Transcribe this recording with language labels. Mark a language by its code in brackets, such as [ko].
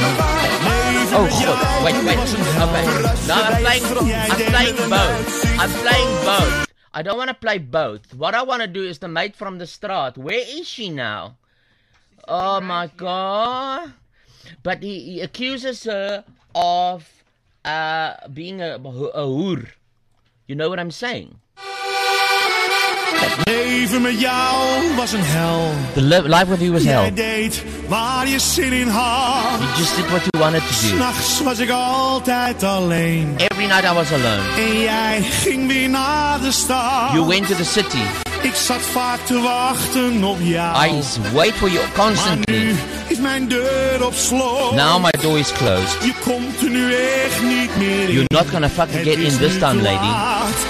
[en] Oh, God. Wait. Okay. Now I'm playing both. I don't want to play both. What I want to do is the mate from the straat. Where is she now? Oh, my God. But he accuses her of being a hoer. You know what I'm saying? [nl] Het leven met jou was een hel. [en] The life with you was hell. [nl] Jij deed waar je zin in had. [en] You just did what you wanted to do. [nl] 'S nachts was ik altijd alleen. [en] Every night I was alone. [nl] En jij ging weer naar de stad. [en] You went to the city. [nl] Ik zat vaak te wachten op jou. [en] I wait for you constantly. [nl] Maar nu is mijn deur op slot. [en] Now my door is closed. [nl] Je komt er nu echt niet meer in. [en] You're not gonna fucking get in this time, lady.